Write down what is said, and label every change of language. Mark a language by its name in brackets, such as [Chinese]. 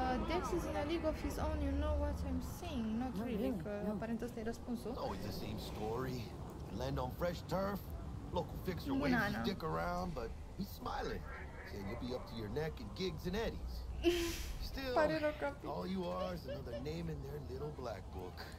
[English] Dex is in a league of his own, you know what I'm saying. Not really, [Romanian] că aparent ăsta e răspunsul. [English] Always the same story. Land on fresh turf. Local fixer waves you stick around, but he's smiling. Saying you'll be up to your neck in gigs and eddies. Still, all you are is another name in their little black book.